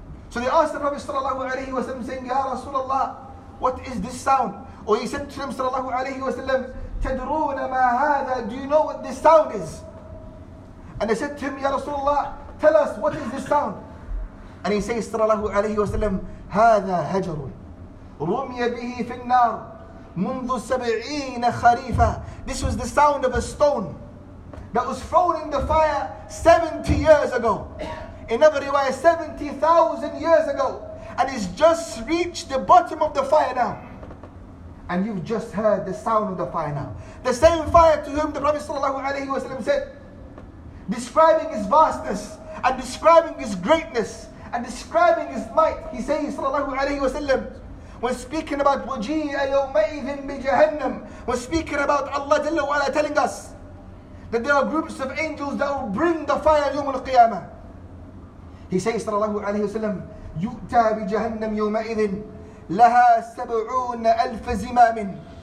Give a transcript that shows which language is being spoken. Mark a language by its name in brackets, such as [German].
[English] So they asked the Prophet sallallahu alayhi wa sallam, saying, Ya Rasulullah, what is this sound? Or he said to him sallallahu alayhi wa sallam, [Arabic] تَدْرُونَ مَا هَذَا, [English] do you know what this sound is? And they said to him, Ya Rasulullah, tell us, what is this sound? [Arabic] And he says sallallahu alayhi wa sallam, هَذَا هَجَرٌ رُمْيَ بِهِ فِي النَّارِ مُنْذُ سَبْعِينَ خَرِيفًا. [English] This was the sound of a stone that was thrown in the fire 70 years ago. In another riwayah, 70,000 years ago. And it's just reached the bottom of the fire now. And you've just heard the sound of the fire now. The same fire to whom the Prophet sallallahu alayhi wa sallam said, describing his vastness and describing his greatness and describing his might, he says sallallahu alayhi wa sallam, when speaking about [Arabic] وَجِيَ يَوْمَئِذٍ بِجَهَنَّمْ, [English] when speaking about Allah Jalla wa Ala telling us that there are groups of angels that will bring the fire يوم القيامة, he says صلى الله عليه وسلم [Arabic] يُؤْتَى بِجَهَنَّمْ يَوْمَئِذٍ لَهَا سَبْعُونَ أَلْفَ زِمَامٍ.